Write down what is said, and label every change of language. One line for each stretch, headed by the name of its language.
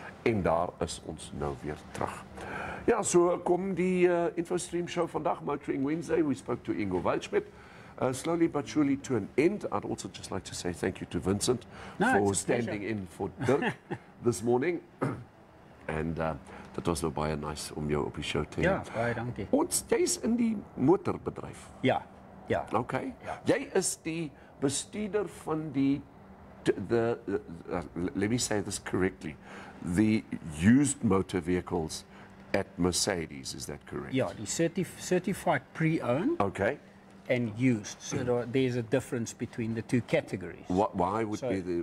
Afrikaans: En daar is ons nou weer terug. Ja, so kom die Infostream show vandag, Motoring Wednesday.
English: We spoke to Ingo Waldschmidt. Slowly but surely to an end, I'd also just like to say thank you to Vincent for standing in for Dirk this morning.
Afrikaans: And dat was nou baie nice om jou op die show te hê. Ja, baie dankie. Ons, jy is in die motorbedrijf. Ja. Ja. Okay. Ja. Jy is die bestuurder van die
English: let me say this correctly, the used motor vehicles at Mercedes, is that correct? Yeah, the certified pre-owned. Okay. And used, so there's a difference between the two categories. Why would be the?